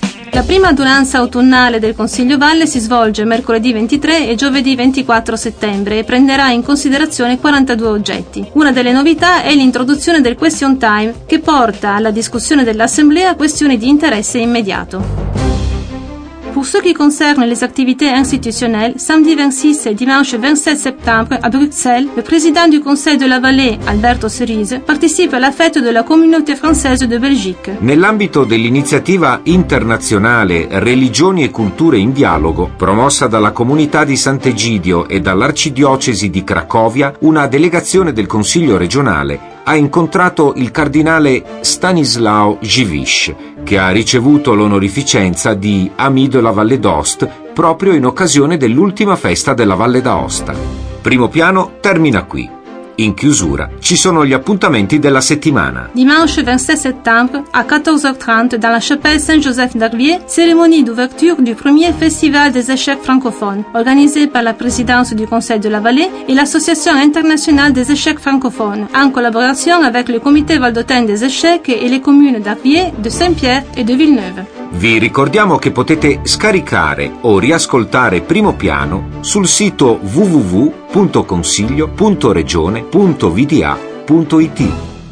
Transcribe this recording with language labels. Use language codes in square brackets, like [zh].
[it] La prima adunanza autunnale del Consiglio Valle si svolge mercoledì 23 e giovedì 24 settembre e prenderà in considerazione 42 oggetti. Una delle novità è l'introduzione del question time, che porta alla discussione dell'Assemblea questioni di interesse immediato. [fr] Pour ce qui concerne les activités institutionnelles, samedi 26 et dimanche 27 septembre à Bruxelles, le président du Conseil de la Vallée, Alberto Cerise, participe à la fête de la communauté française de Belgique. [it] Nell'ambito dell'iniziativa internazionale Religioni e culture in dialogo, promossa dalla comunità di Sant'Egidio e dall'arcidiocesi di Cracovia, una delegazione del Consiglio regionale ha incontrato il cardinale Stanislao Givisch, che ha ricevuto l'onorificenza di Ami de la Valle d'Aost proprio in occasione dell'ultima festa della Valle d'Aosta. Primo piano termina qui. In chiusura ci sono gli appuntamenti della settimana. [fr] Dimanche 26 settembre a 14h30 dans la chapelle Saint-Joseph d'Arvier, cérémonie d'ouverture du premier festival des échecs francophones, organisé par la présidence du Conseil de la Vallée et l'Association internationale des échecs francophones, en collaboration avec le comité valdôtain des échecs et les communes d'Arvier, de Saint-Pierre et de Villeneuve. [it] Vi ricordiamo che potete scaricare o riascoltare Primo Piano sul sito www.consiglio.regione.vda.it.